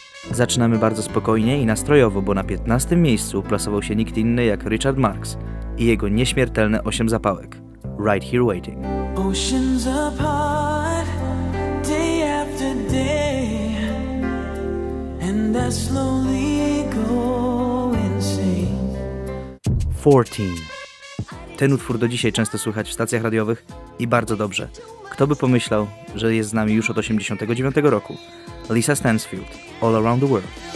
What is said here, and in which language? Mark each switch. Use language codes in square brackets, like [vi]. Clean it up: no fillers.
[pl] Zaczynamy bardzo spokojnie i nastrojowo, bo na 15 miejscu plasował się nikt inny jak Richard Marx i jego nieśmiertelne 8 zapałek. [en] Right here waiting. Oceans apart, day after day, and I slowly go insane. [pl] 14. Ten utwór do dzisiaj często słychać w stacjach radiowych i bardzo dobrze. Kto by pomyślał, że jest z nami już od 89 roku? Lisa Stansfield, All Around the World.